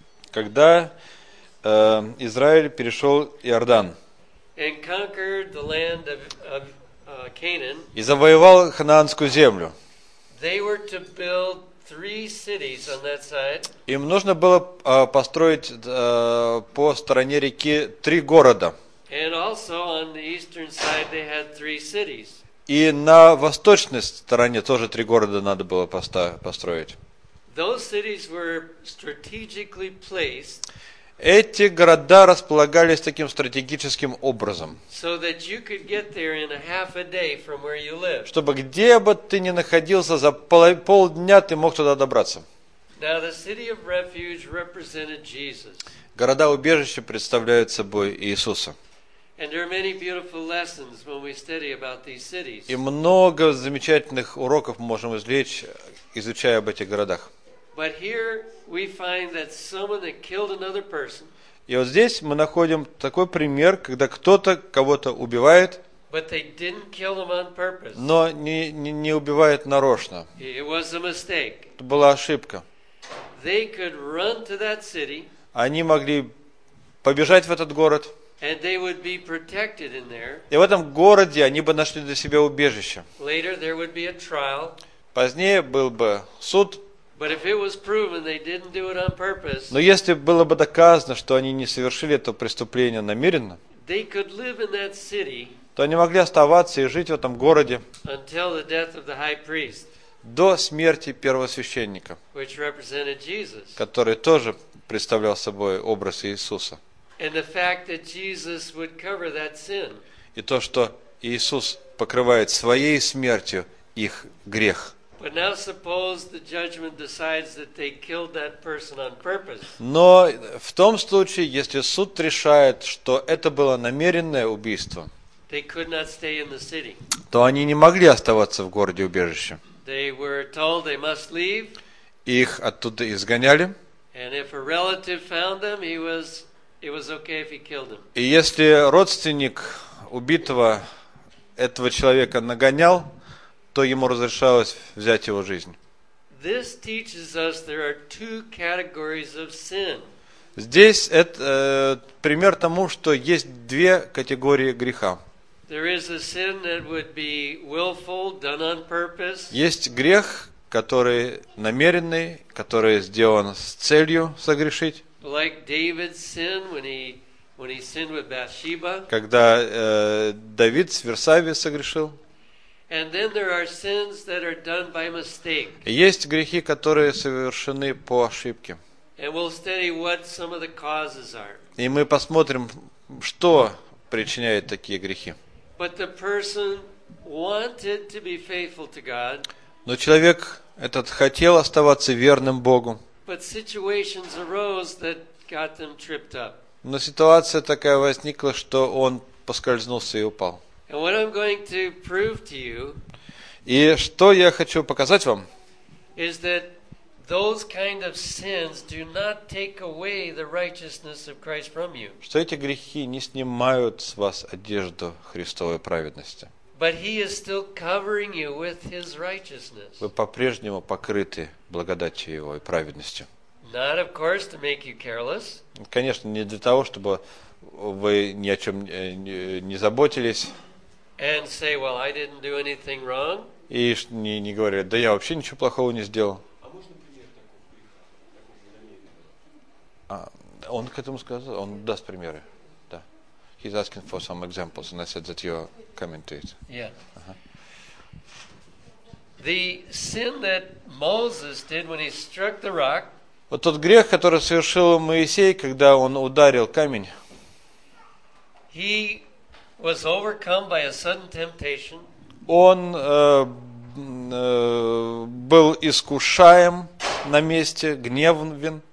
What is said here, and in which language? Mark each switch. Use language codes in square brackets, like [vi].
[ru] Когда Израиль перешел Иордан и завоевал Ханаанскую землю, им нужно было построить по стороне реки три города. [en] And also on the eastern side they had three cities. [ru] И на восточной стороне тоже три города надо было построить. [en] Those cities were strategically placed. [ru] Эти города располагались таким стратегическим образом. [en] So that you could get there in a half a day from where you live. [ru] Чтобы где бы ты ни находился, за полдня ты мог туда добраться. [en] Now the city of refuge represented Jesus. [ru] Города-убежища представляют собой Иисуса. [en] And there are many beautiful lessons when we study about these cities. [ru] И много замечательных уроков можем извлечь, изучая об этих городах. [en] But here we find that someone that killed another person. [ru] И вот здесь мы находим такой пример, когда кто-то кого-то убивает. [en] But they didn't kill him on purpose. [ru] Но не убивает нарочно. [en] It was a mistake. [ru] Это была ошибка. [en] They could run to that city. [ru] Они могли побежать в этот город. [en] And they would be protected in there. [ru] И в этом городе они бы нашли для себя убежище. [en] Later there would be a trial. [ru] Позднее был бы суд. [en] But if it was proven they didn't do it on purpose. [ru] Но если было бы доказано, что они не совершили это преступление намеренно, [en] they could live in that city. [ru] То они могли оставаться и жить в этом городе. [en] Until the death of the high priest. [ru] До смерти первосвященника. [en] Which represented Jesus. [ru] Который тоже представлял собой образ Иисуса. [en] And the fact that Jesus would cover that sin. [ru] И то, что Иисус покрывает своей смертью их грех. [en] But now suppose the judgment decides that they killed that person on purpose. [ru] Но в том случае, если суд решает, что это было намеренное убийство, [en] they could not stay in the city. [ru] То они не могли оставаться в городе убежище. [en] They were told they must leave. [ru] Их оттуда изгоняли. [en] And if a relative found them, he was. It was okay if he killed him. [ru] И если родственник убитого этого человека нагонял, то ему разрешалось взять его жизнь. [en] This teaches us there are two categories of sin. [ru] Здесь это пример тому, что есть две категории греха. [en] There is a sin that would be willful, done on purpose. [ru] Есть грех, который намеренный, который сделан с целью согрешить. [en] Like David's sin when he sinned with Bathsheba. [ru] Когда Давид с Версавией согрешил. [en] And then there are sins that are done by mistake. [ru] Есть грехи, которые совершены по ошибке. [en] And we'll study what some of the causes are. [ru] И мы посмотрим, что причиняет такие грехи. [en] But the person wanted to be faithful to God. [ru] Но человек Этот хотел оставаться верным Богу. [en] But situations arose that got them tripped up. [ru] Но ситуация такая возникла, что он поскользнулся и упал. [en] And what I'm going to prove to you, [ru] и что я хочу показать вам, [en] is that those kind of sins do not take away the righteousness of Christ from you. [ru] Что эти грехи не снимают с вас одежду Христовой праведности. [en] But he is still covering you with his righteousness. [ru] Вы по-прежнему покрыты благодатью его и праведностью. [en] Not of course to make you careless. [ru] Конечно, не для того, чтобы вы ни о чём не заботились. [en] And say, well, I didn't do anything wrong. [ru] И не говорили, да я вообще ничего плохого не сделал. Он к этому сказал, он даст примеры. Да. [en] He's asking for some examples, and I said that you're coming to it. Yeah. The sin that Moses did when he struck the rock. [ru] Вот тот грех, который совершил Моисей, когда он ударил камень. [en] He was overcome by a sudden temptation. [ru] Он был искушаем на месте, гневен.